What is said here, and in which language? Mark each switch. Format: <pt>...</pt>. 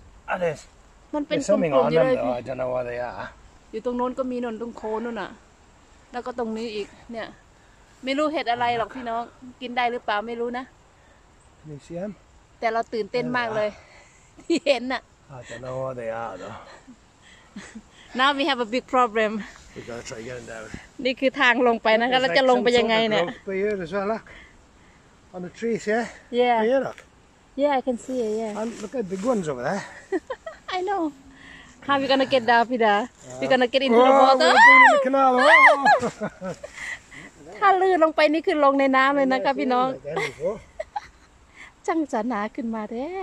<th>อันนี้มันเป็น กลุ่มๆอยู่เลยพี่</th> <en>I don't know what they are อ</en> <th>ยู่ตรงโน้นก็มีนนตรงโคนนู่นน่ะแล้วก็ตรงนี้อีกเนี่ยไม่รู้เห็ดอะไรหรอกพี่น้องกินได้หรือเปล่าไม่รู้นะ มิวเซียม แต่เราตื่นเต้นมากเลยที่เห็นน่ะ</th> <en>I don't know what they are though Now we have a big problem We gotta try getting down</en> <th>นี่คือทางลงไปนะคะแล้วจะลงไปยังไงเนี่ ย</th> <en>Up here as well look On the trees yeah Yeah Up here look Yeah, I can see it, yeah. And look at the big ones over there. I know. How are we going to get down, Pida? We're going to get into the water. We're going to the canal. If you fall down, this is going to be in the water, right, Pida? It's going to be in the water.</en>